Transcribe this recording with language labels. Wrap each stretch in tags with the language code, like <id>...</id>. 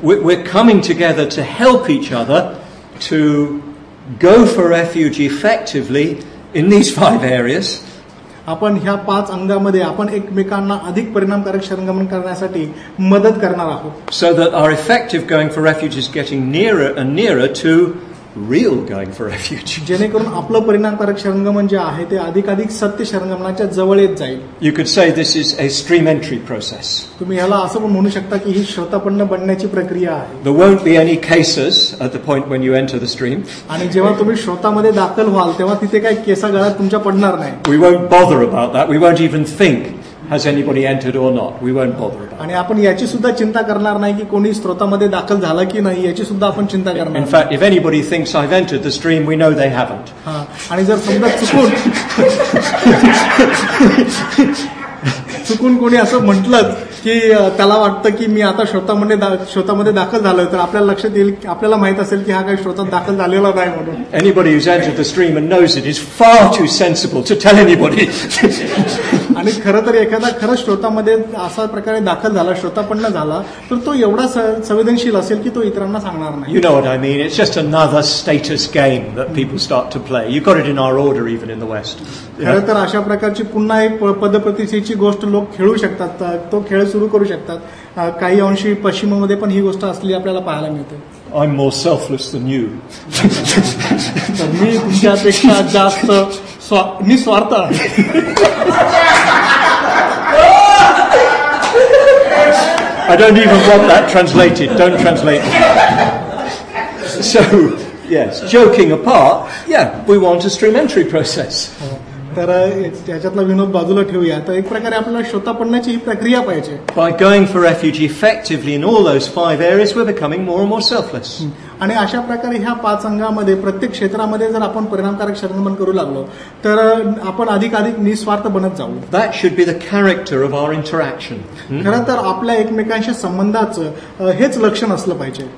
<en>We're coming together to help each other to go for refuge effectively in these five areas.</en> <mr>आपण ह्या पाच अंगामध्ये आपण एकमेकांना अधिक परिणामकारक शरणागमन करण्यासाठी मदत करणार आहोत.</mr> <en>So that our effective going for refuge is getting nearer and nearer to real going for refuge.</en> <mr>जेणेकरून आपलं परिणामकारक शरणागमन जे आहे ते अधिकाधिक सत्य शरणागमनाच्या जवळ येत जाईल.</mr> <en>You could say this is a stream entry process.</en> <mr>तुम्ही याला असं पण म्हणू शकता की ही श्रोतापन्न बनण्याची प्रक्रिया आहे.</mr> <en>There won't be any cases at the point when you enter the stream.</en> <mr>आणि जेव्हा तुम्ही श्रोतामध्ये दाखल व्हाल तेव्हा तिथे काही केसा गळ्यात तुमच्या पडणार नाही.</mr> <en>We won't bother about that. We won't even think has anybody entered or not. We won't bother about it.</en> <mr>आणि आपण याची सुद्धा चिंता करणार नाही की कोणी स्त्रोतामध्ये दाखल झाला की नाही याची सुद्धा आपण चिंता करणार नाही.</mr> <en>In fact, if anybody thinks I've entered the stream, we know they haven't.</en> <mr>आणि जर समजा चुकून कोणी असं म्हटलं की त्याला वाटतं की मी आता श्रोतामध्ये दाखल झालोय तर आपल्याला लक्षात येईल आपल्याला माहित असेल की हा काही श्रोतात दाखल झालेला नाही म्हणून.</mr> <en>Anybody who's entered the stream and knows it is far too sensible to tell anybody.</en> <mr>आणि खरं तर एखादा खरं श्रोतामध्ये असा प्रकारे दाखल झाला श्रोतापन्न झाला तर तो एवढा संवेदनशील असेल की तो इतरांना सांगणार नाही.</mr> <en>You know what I mean? It's just another status game that people start to play. You got it in our order even in the West.</en> <mr>खरं तर अशा प्रकारची पुन्हा एक पदप्रतिष्ठेची गोष्ट लोक खेळू शकतात, तो खेळ सुरू करू शकतात. काही अंशी पश्चिममध्ये पण ही गोष्ट असली आपल्याला पाहायला मिळते.</mr> <en>I'm more selfless than you.</en> <mr>मी तुमच्यापेक्षा जास्त निस्वार्थ आहे.</mr> <en>I don't even want that translated. Don't translate. So, yes, joking apart, yeah, we want a stream entry process.</en> <mr>तर त्याच्यातला विनोद बाजूला ठेवूया. तर एक प्रकारे आपल्याला श्रोतापन्नाची ही प्रक्रिया पाहिजे.</mr> <en>By going for refuge effectively in all those five areas, we're becoming more and more selfless.</en> <mr>आणि अशा प्रकारे ह्या पाच अंगामध्ये प्रत्येक क्षेत्रामध्ये जर आपण परिणामकारक शरणागमन करू लागलो तर आपण अधिकाधिक निस्वार्थ बनत जाऊ.</mr> <en>That should be the character of our interaction.</en> <mr>खरं तर आपल्या एकमेकांशी संबंधाचं हेच लक्षण असलं पाहिजे.</mr>